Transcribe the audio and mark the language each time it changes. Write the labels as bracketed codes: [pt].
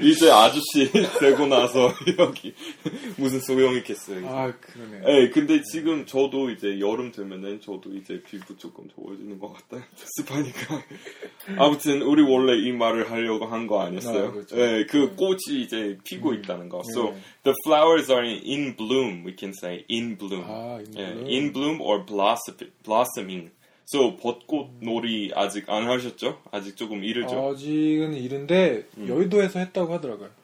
[ko] 이제 아저씨 되고 나서 여기 무슨 소용이 있겠어요. 아, 그러네. 네, 근데 지금 저도 이제 여름 되면은 저도 이제 피부 조금 좋아지는 것 같아요. 습하니까. 아무튼 우리 원래 이 말을 하려고 한 거 아니었어요? 아, 그렇죠. 네, 그 꽃이 이제 피고 있다는 거. So, 네. [en] The flowers are in bloom, we can say in bloom. [ko] 아, yeah, [en] in bloom or blossoming. [ko] So, 벚꽃 놀이 아직 안 하셨죠? 아직 조금 이르죠? 아직은 이른데 여의도에서 했다고 하더라고요.